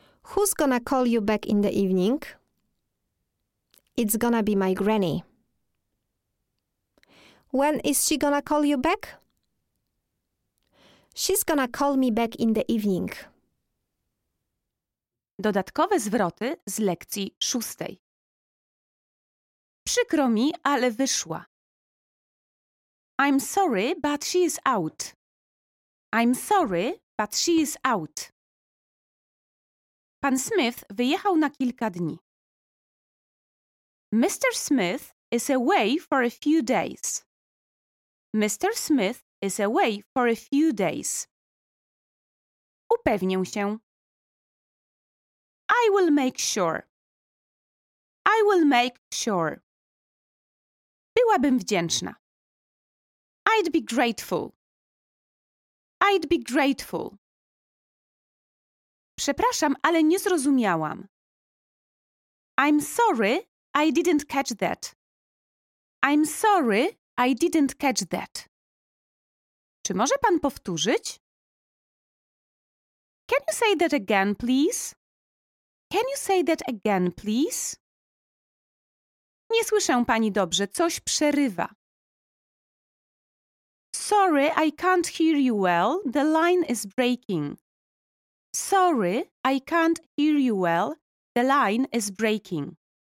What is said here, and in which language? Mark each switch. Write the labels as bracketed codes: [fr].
[en] Who's gonna call you back in the evening? It's gonna be my granny. When is she gonna call you back? She's gonna call me back in the evening. [pl] Dodatkowe zwroty z lekcji szóstej. Przykro mi, ale wyszła. [en] I'm sorry, but she is out. I'm sorry, but she is out. [pl] Pan Smith wyjechał na kilka dni. [en] Mr. Smith is away for a few days. Mr. Smith is away for a few days. [pl] Upewnię się. [en] I will make sure. I will make sure. [pl] Byłabym wdzięczna. [en] I'd be grateful. I'd be grateful. [pl] Przepraszam, ale nie zrozumiałam. [en] I'm sorry, I didn't catch that. I'm sorry, I didn't catch that. [pl] Czy może pan powtórzyć? [en] Can you say that again, please? Can you say that again, please? [pl] Nie słyszę pani dobrze, coś przerywa. [en] Sorry, I can't hear you well. The line is breaking. Sorry, I can't hear you well. The line is breaking.